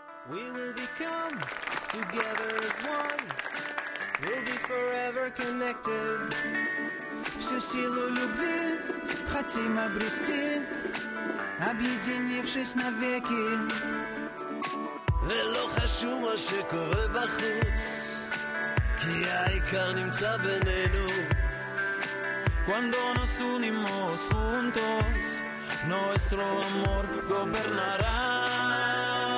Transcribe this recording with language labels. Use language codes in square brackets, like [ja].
[en] We will become together as one. We'll be forever connected. [ru] Всю силу любви хотим обрести, объединившись навеки. [he] ולא חשוב מה שקורה בחוץ, כי העיקר נמצא בינינו. [es] Cuando nos unimos juntos, nuestro amor gobernará.